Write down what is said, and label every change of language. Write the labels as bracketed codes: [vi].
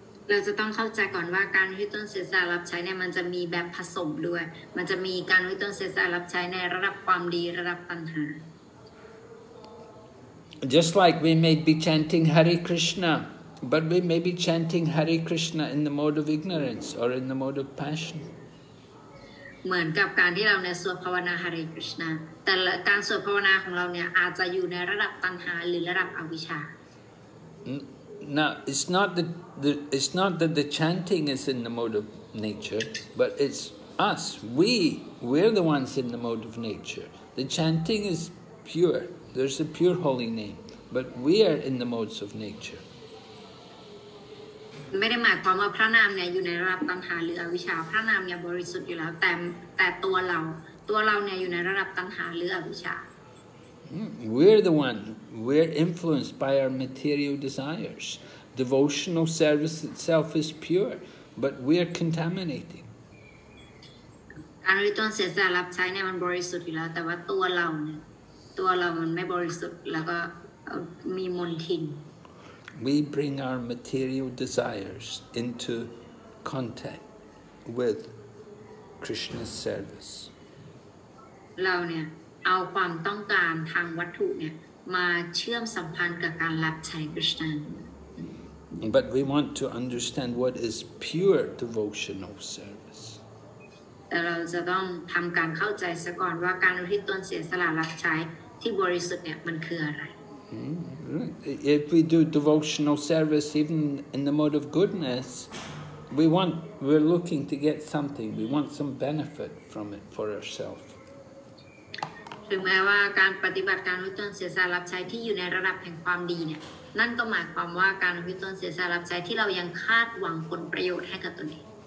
[th] เราจะต้องเข้าใจก่อนว่าการที่ตนเสียสละรับใช้เนี่ยมันจะมีแบบผสมด้วยมันจะมีการที่ตนเสียสละรับใช้ในระดับความดีระดับปัญหา [en] Just like we may be chanting Hare Krishna. But we may be chanting Hare Krishna in the mode of ignorance or in the mode of passion. [th] เหมือนกับการที่เราในสวดภาวนา Hare Krishna แต่การสวดภาวนาของเราเนี่ยอาจจะอยู่ในระดับตัณหาหรือระดับอวิชชา [en] Now, it's not that the chanting is in the mode of nature, but it's us. We're the ones in the mode of nature. The chanting is pure. There's a pure holy name, but we are in the modes of nature. [th] ไม่ได้หมายความว่าพระนามเนี่ยอยู่ในระดับตัณหาหรืออวิชชาพระนามเนี่ยบริสุทธิ์อยู่แล้วแต่ตัวเราเนี่ยอยู่ในระดับตัณหาหรืออวิชชา [en] We're the one we're influenced by our material desires devotional service itself is pure but we're contaminating [th] การที่ตนเสียสละรับใช้เนี่ยมันบริสุทธิ์อยู่แล้วแต่ว่าตัวเรามันไม่บริสุทธิ์แล้วก็มีมลทิน [en] We bring our material desires into contact with Krishna's service. [th] เราเนี่ยเอาความต้องการทางวัตถุเนี่ยมาเชื่อมสัมพันธ์กับการรับใช้ Krishna. [en] But we want to understand what is pure devotional service. [th] เราจะต้องทำการเข้าใจซะก่อนว่าการที่ตนเสียสละรับใช้ที่บริสุทธิ์เนี่ยมันคืออะไร [en] If we do devotional service even in the mode of goodness, we're looking to get something, we want some benefit from it for ourselves. [th] ถึงแม้ว่าการปฏิบัติการวิตรณ์เสียสละรับใช้ที่อยู่ในระดับแห่งความดีเนี่ยนั่นก็หมายความว่าการวิตรณ์เสียสละรับใช้ที่เรายังคาดหวังผลประโยชน์ให้กับตนเอง